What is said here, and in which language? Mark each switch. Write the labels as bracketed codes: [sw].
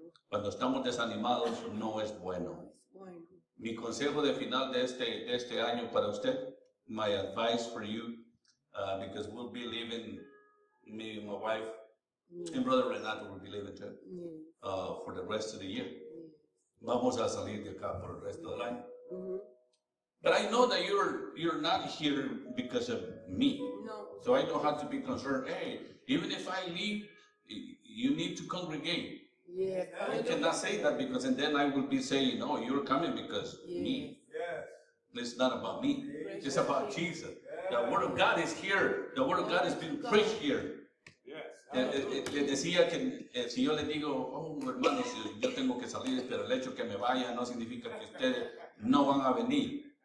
[es] Cuando estamos desanimados, no es bueno. Mi consejo de final de este año para usted, [en] my advice for you, because we'll be leaving, me and my wife, and Brother Renato will be leaving too, for the rest of the year. [es] Vamos a salir de acá por el resto del año. [en] But I know that you're not here because of me. No. So I don't have to be concerned. Hey, even if I leave, you need to congregate. Yeah, I cannot say that because and then I will be saying, no, you're coming because me. Yes. It's not about me. Yes. It's about Jesus. Yes. The Word of God is here. The Word of God has been preached here. Yes. [es] Le decía que si yo le digo, oh, hermanos, yo tengo que salir, pero el hecho que me vaya no significa que ustedes no van a venir.